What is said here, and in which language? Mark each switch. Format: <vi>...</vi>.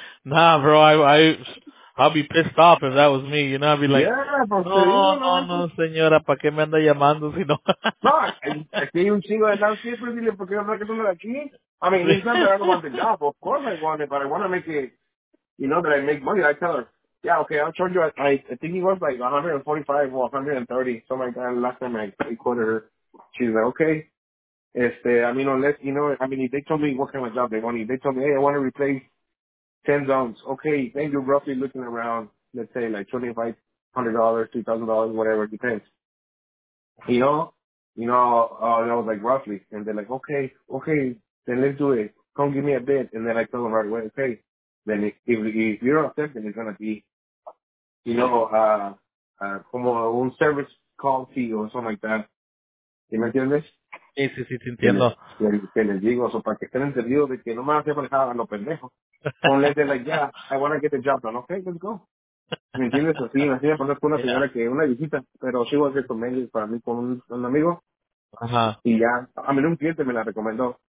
<en>Nah, bro, I'll be pissed off if that was me. You know, I'd be like, no,</en> <es>señora, ¿para qué me anda llamando si no? No, aquí hay un chingo de lados siempre. Dile, ¿por qué no me quedo aquí?</es> <en>I mean, it's not that I don't want the job. Of course I want it, but I want to make it, you know, that I make money. I tell her, yeah, okay, I'll charge you. I think he was like 145 or 130, something like that. Last time I quoted her, she's like, okay. Unless, you know, I mean, if they told me what kind of job they want, if they told me, hey, I want to replace 10 zones, okay, then you're roughly looking around, let's say, like $2,500, $2,000, whatever, depends. You know, I was like, roughly. And they're like, okay, then let's do it. Come give me a bid. And then I tell them right away, okay, then if you're upset, then it's going to be, you know, como un service call fee or something like that.</en> <es>¿Sí me entiendes? Sí, te entiendo. Que les digo, eso para que estén entendidos de que no me van a hacer parecer a los pendejos.</es> <en>Unless they're like, yeah, I want to get the job done. Okay, let's go.</en> <es>¿Me entiendes? Así, así me pasó con una señora que una visita, pero sigo haciendo mails para mí con un amigo. Ajá. Y ya, a mí un cliente me la recomendó.</es>